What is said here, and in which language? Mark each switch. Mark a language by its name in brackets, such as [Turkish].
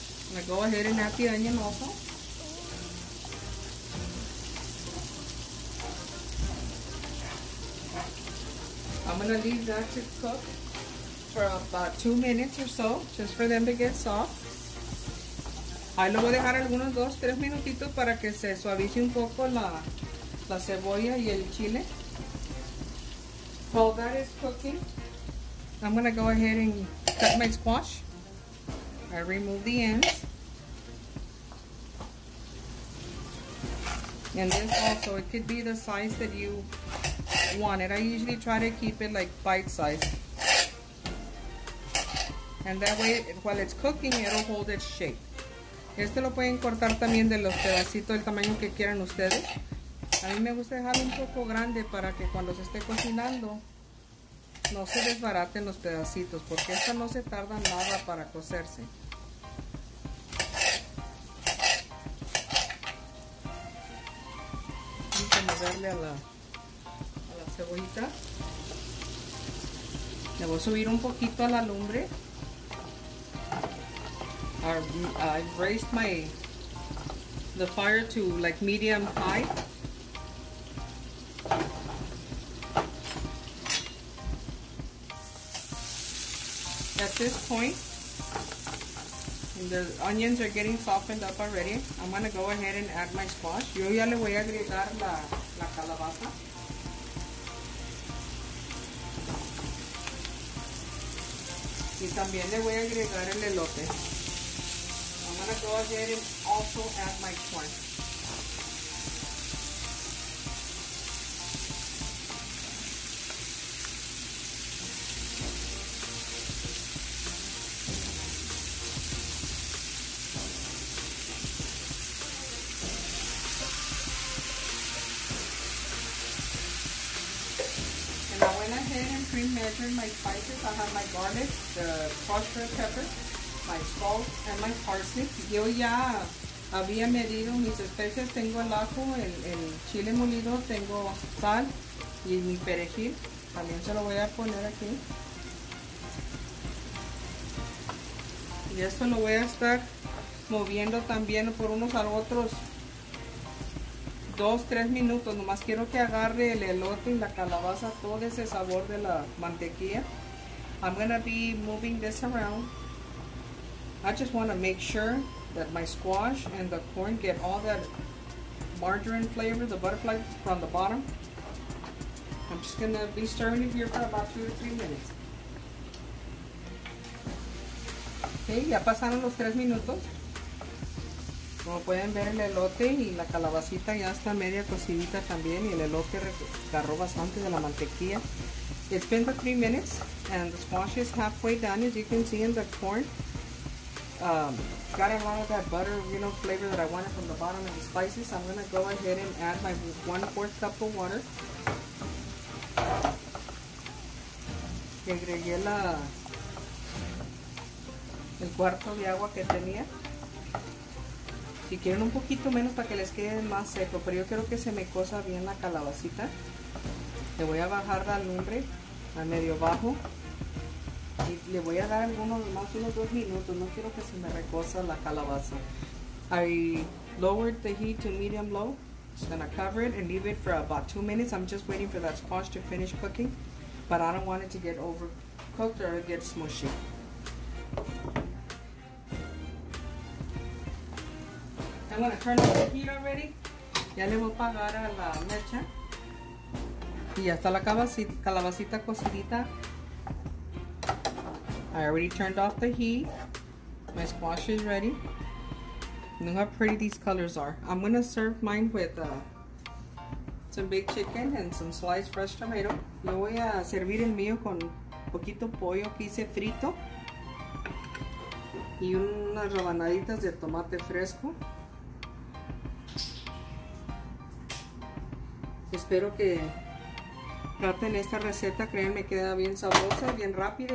[English] I'm going to go ahead and add the onion also. I'm going to leave that to cook for about 2 minutes or so, just for them to get soft. [Spanish] Ahí lo voy a dejar algunos 2-3 minutitos para que se suavice un poco la cebolla y el chile. [English] While that is cooking, I'm going to go ahead and cut my squash. I remove the ends. And this also, it could be the size that you want it. I usually try to keep it like bite size. And that way, while it's cooking, it'll hold its shape. [Spanish] Este lo pueden cortar también de los pedacitos del tamaño que quieran ustedes. A mí me gusta dejarlo un poco grande para que cuando se esté cocinando, no se desbaraten los pedacitos, porque esta no se tarda nada para cocerse. Darle a la cebollita. Le voy a subir un poquito a la lumbre. [English] I've raised the fire to like medium high. At this point, the onions are getting softened up already. I'm going to go ahead and add my squash. [Spanish] Yo ya le voy a agregar la calabaza. Y también le voy a agregar el elote. [English] I'm going to go ahead and also add my corn. Measuring my spices, I have my garlic, the crushed red pepper, my salt, and my parsley. [Spanish] Yo ya había medido mis especias. Tengo el ajo, el chile molido, tengo sal y mi perejil. También se lo voy a poner aquí. Y esto lo voy a estar moviendo también por unos a otros dos, tres minutos. Nomás quiero que agarre el elote y la calabaza todo ese sabor de la mantequilla. [English] I'm going to be moving this around. I just want to make sure that my squash and the corn get all that margarine flavor, the butterfly from the bottom. I'm just going to be stirring it here for about 2 to 3 minutes. [Spanish] Okay, ya pasaron los 3 minutos. Como pueden ver, el elote y la calabacita ya está media cocidita también, y el elote agarró bastante de la mantequilla. [English] It's been 3 minutes and the squash is halfway done. As you can see in the corn, got a lot of that butter, you know, flavor that I wanted from the bottom of the spices. I'm going to go ahead and add my 1/4 cup of water. [Spanish] Y agregué el cuarto de agua que tenía. Si quieren un poquito menos para que les quede más seco, pero yo quiero que se me cosa bien la calabacita. Le voy a bajar la lumbre a medio bajo y le voy a dar algunos más, unos 2 minutos. No quiero que se me recosa la calabaza. [English] I lowered the heat to medium low. I'm gonna cover it and leave it for about 2 minutes. I'm just waiting for that squash to finish cooking, but I don't want it to get overcooked or get smushy. I'm going to turn off the heat already. [Spanish] Ya le voy a apagar a la mecha. Y ya está la calabacita cocidita. [English] I already turned off the heat. My squash is ready. Look how pretty these colors are. I'm going to serve mine with some baked chicken and some sliced fresh tomato. [Spanish] Yo voy a servir el mío con poquito pollo que hice frito. Y unas rebanaditas de tomate fresco. Espero que traten esta receta. Créanme, queda bien sabrosa, bien rápida.